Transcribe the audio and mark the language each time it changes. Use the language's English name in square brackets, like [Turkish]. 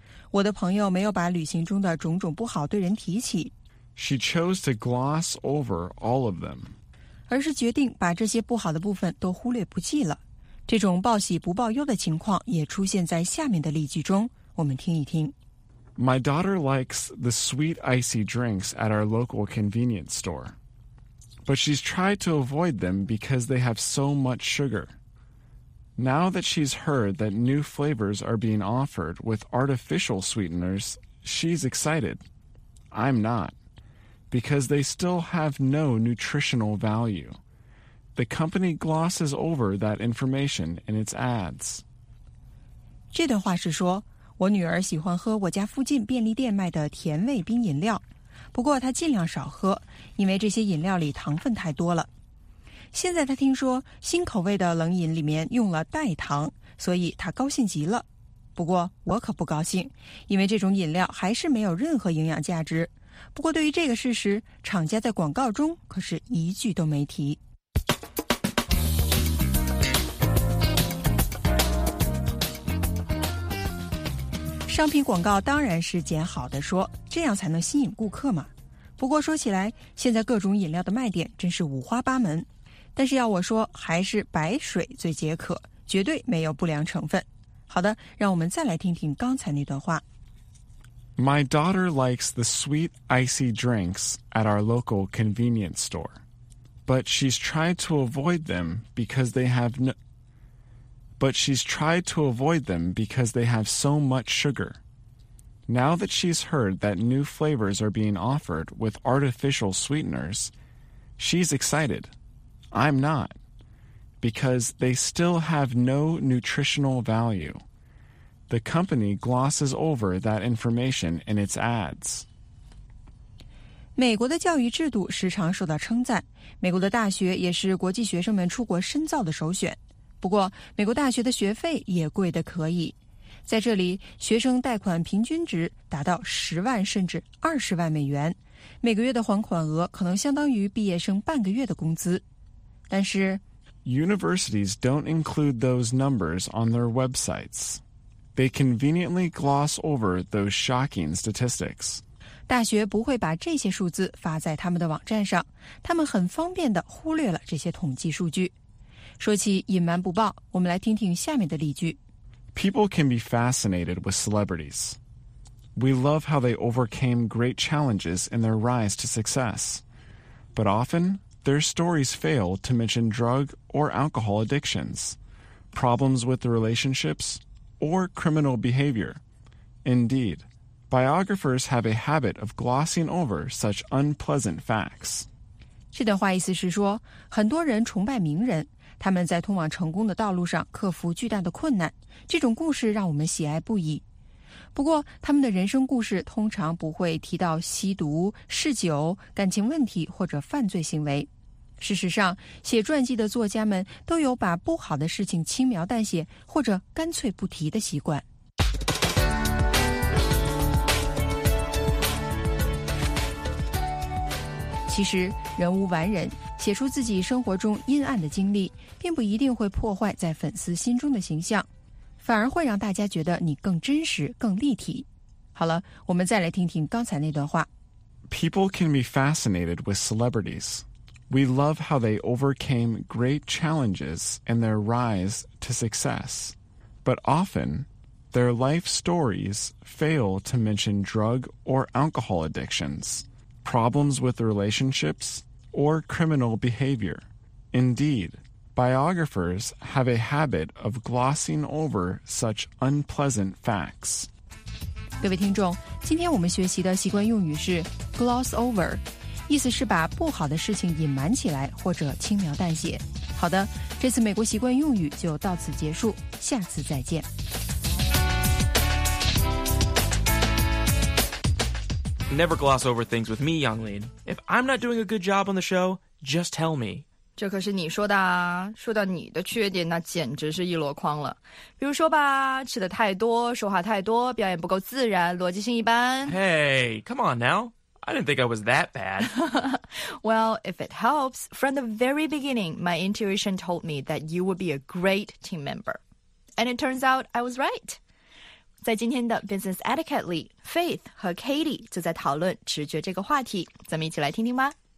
[Chinese] 我的朋友没有把旅行中的种种不好对人提起。 [English] She chose to gloss over all of them. [Chinese] 而是决定把这些不好的部分都忽略不计了。这种报喜不报忧的情况也出现在下面的例句中，我们听一听。 [English] My daughter likes the sweet icy drinks at our local convenience store. But she's tried to avoid them because they have so much sugar. Now that she's heard that new flavors are being offered with artificial sweeteners, she's excited. I'm not. Because they still have no nutritional value. The company glosses over that information in its ads. [Chinese] 这段话是说，我女儿喜欢喝我家附近便利店卖的甜味冰饮料，不过她尽量少喝，因为这些饮料里糖分太多了。现在她听说新口味的冷饮里面用了代糖，所以她高兴极了。不过我可不高兴，因为这种饮料还是没有任何营养价值。不过对于这个事实，厂家在广告中可是一句都没提。商品广告当然是捡好的说，这样才能吸引顾客嘛。不过说起来，现在各种饮料的卖点真是五花八门，但是要我说，还是白水最解渴，绝对没有不良成分。好的，让我们再来听听刚才那段话。 [English] My daughter likes the sweet icy drinks at our local convenience store, but she's tried to avoid them because they have no, but she's tried to avoid them because they have so much sugar. Now that she's heard that new flavors are being offered with artificial sweeteners, she's excited. I'm not, because they still have no nutritional value. The company glosses over that information in its ads. [Chinese] 美国的教育制度时常受到称赞，美国的大学也是国际学生们出国深造的首选。不过，美国大学的学费也贵得可以。在这里，学生贷款平均值达到10万甚至20万美元，每个月的还款额可能相当于毕业生半个月的工资。但是 [English] ，Universities don't include those numbers on their websites. They conveniently gloss over those shocking statistics. [Chinese] 大学不会把这些数字发在他们的网站上，他们很方便地忽略了这些统计数据。说起隐瞒不报，我们来听听下面的例句。 [English] People can be fascinated with celebrities. We love how they overcame great challenges in their rise to success. But often, their stories fail to mention drug or alcohol addictions, problems with relationships,or criminal behavior. Indeed, biographers have a habit of glossing over such unpleasant facts. [Chinese] 这段话意思是说，很多人崇拜名人，他们在通往成功的道路上克服巨大的困难，这种故事让我们喜爱不已。不过，他们的人生故事通常不会提到吸毒、嗜酒、感情问题或者犯罪行为。事实上，写传记的作家们都有把不好的事情轻描淡写或者干脆不提的习惯。其实，人无完人，写出自己生活中阴暗的经历，并不一定会破坏在粉丝心中的形象，反而会让大家觉得你更真实、更立体。好了，我们再来听听刚才那段话。 [English] People can be fascinated with celebrities. We love how they overcame great challenges in their rise to success. But often, their life stories fail to mention drug or alcohol addictions. Problems with relationships, or criminal behavior. Indeed, biographers have a habit of glossing over such unpleasant facts. [Chinese] 各位听众，今天我们学习的习惯用语是 gloss over, 意思是把不好的事情隐瞒起来或者轻描淡写。好的，这次美国习惯用语就到此结束，下次再见。 [English] Never gloss over things with me, Yonglin. If I'm not doing a good job on the show, just tell me. [Chinese] 这可是你说的啊。说到你的缺点，那简直是一箩筐了。比如说吧，吃的太多，说话太多，表演不够自然，逻辑性一般。 [English] Hey, come on now. I didn't think I was that bad. Well, if it helps, from the very beginning, my intuition told me that you would be a great team member. And it turns out I was right. [Chinese] 在今天的 Business Etiquette 里 ,Faith 和 Katie 就在讨论直觉这个话题。咱们一起来听听吧。